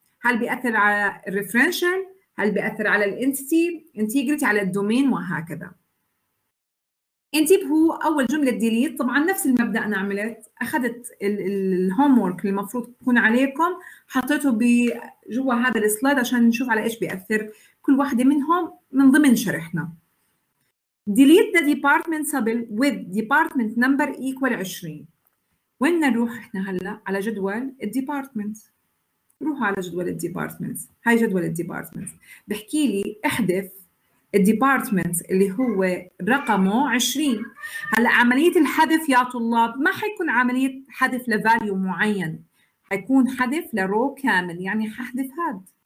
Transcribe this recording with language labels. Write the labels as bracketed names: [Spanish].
[Arabic] هل بياثر على الريفرنشال؟ هل بياثر على الانتيتي انتجريتي، على الدومين، وهكذا. انتبهوا، اول جمله ديليت طبعا نفس المبدا انا عملت، اخذت الهوم ورك اللي المفروض تكون عليكم، حطيته بجوا هذا السلايد عشان نشوف على ايش بياثر كل واحدة منهم من ضمن شرحنا. [English] Delete the department table with department number equal 20. [Arabic] وين نروح احنا هلأ؟ على جدول الـ department. روحوا على جدول الـ department. هاي جدول الـ department. بحكي لي احذف الـ department اللي هو رقمه 20. هلأ عملية الحذف يا طلاب ما حيكون عملية حذف لفاليو معين، حيكون حذف لرو كامل، يعني حذف هاد.